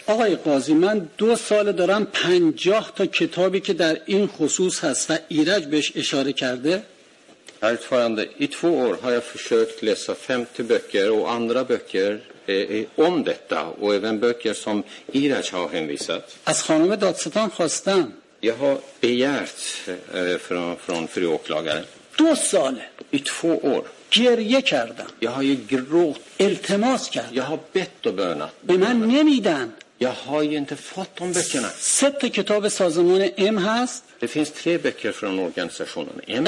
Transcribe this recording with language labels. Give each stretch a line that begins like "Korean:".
Persian: آقای قاضی من دو سال دارم 50 تا کتابی که در این خصوص هست و ایرج بهش اشاره کرده.
Swedish: Här tvärande i två år har jag försökt läsa 50 böcker och andra böcker om detta och även böcker som ایرج har hänvisat.
Persian: از خانم دادستان خواستم.
Swedish: Jag har begärt från fru åklagare.
Persian: دو سال.
Swedish: I två år.
Persian: گریه کردم.
Swedish: Jag har ju gråt.
Persian: التماس کردم.
Swedish: Jag har bett och bönat.
Persian: به من نمیدن.
Swedish: Jag har ju inte fått de böckerna.
Persian: Sett کتاب سازمان M هست.
Swedish: Det finns tre böcker från organisationen M.